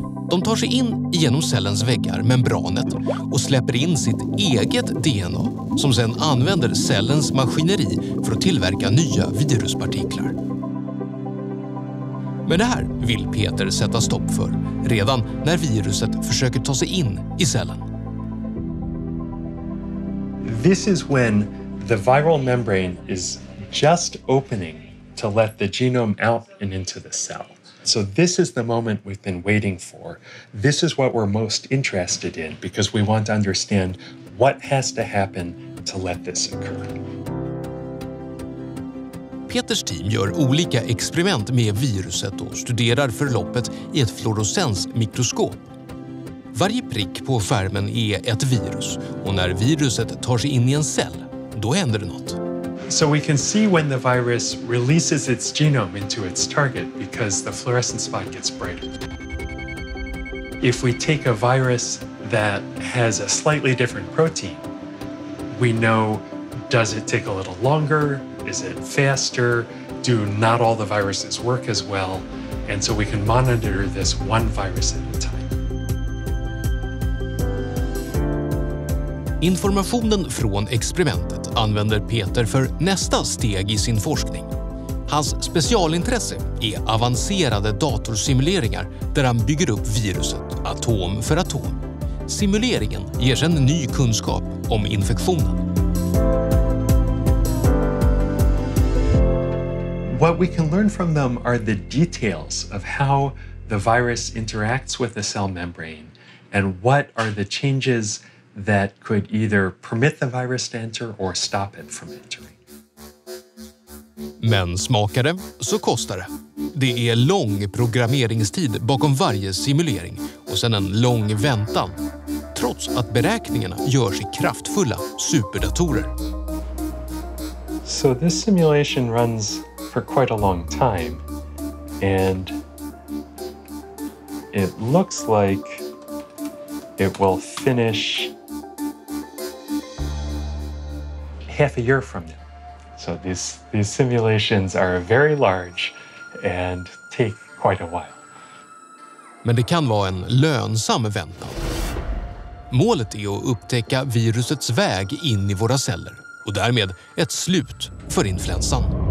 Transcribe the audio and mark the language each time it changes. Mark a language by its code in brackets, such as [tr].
[sv] De tar sig in genom cellens väggar, membranet, och släpper in sitt eget DNA som sedan använder cellens maskineri för att tillverka nya viruspartiklar. Men det här vill Peter sätta stopp för redan när viruset försöker ta sig in i cellen. [en] This is when the viral membrane is just opening to let the genome out and into the cell. So this is the moment we've been waiting for. This is what we're most interested in because we want to understand what has to happen to let this occur. [sv] Peters team gör olika experiment med viruset och studerar förloppet i ett fluorescensmikroskop. Varje prick på skärmen är ett virus och när viruset tar sig in i en cell, då händer det något. [en] So we can see when the virus releases its genome into its target because the fluorescent spot gets brighter. If we take a virus that has a slightly different protein, we know, does it take a little longer? Is it faster? Do not all the viruses work as well? And so we can monitor this one virus at a time. [sv] Informationen från experimentet använder Peter för nästa steg i sin forskning. Hans specialintresse är avancerade datorsimuleringar där han bygger upp viruset atom för atom. Simuleringen ger sedan ny kunskap om infektionen. [en] What we can learn from them are the details of how the virus interacts with the cell membrane and what are the changes that could either permit the virus to enter or stop it from entering. [sv] Men smakar det, så kostar det. Det är lång programmeringstid bakom varje simulering och sen en lång väntan, trots att beräkningarna görs i kraftfulla superdatorer. [en] So this simulation runs for quite a long time and it looks like it will finish half a year from now. So these simulations are very large and take quite a while. [sv] Men det kan vara en lönsam väntan. Målet är att upptäcka virusets väg in i våra celler och därmed ett slut för influensan.